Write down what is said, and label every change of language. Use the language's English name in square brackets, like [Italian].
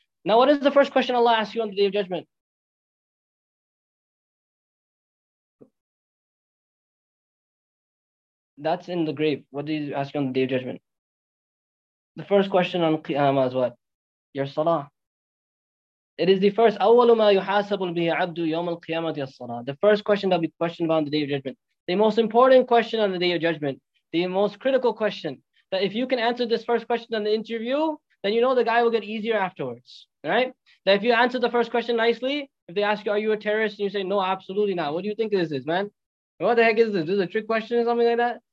[English] Now, what is the first question Allah asks you on the Day of Judgment? That's in the grave. What do you ask on the Day of Judgment? The first question on Qiyamah is what? Your Salah. It is the first. [Arabic] أول ما يحاسب به عبد يوم القيامة الصلاة. [English] The first question that will be questioned about on the Day of Judgment. The most important question on the Day of Judgment. The most critical question. That if you can answer this first question on the interview, then you know the guy will get easier afterwards. Right? That if you answer the first question nicely, if they ask you, are you a terrorist? And you say, no, absolutely not. What do you think this is, man? What the heck is this? Is this a trick question or something like that?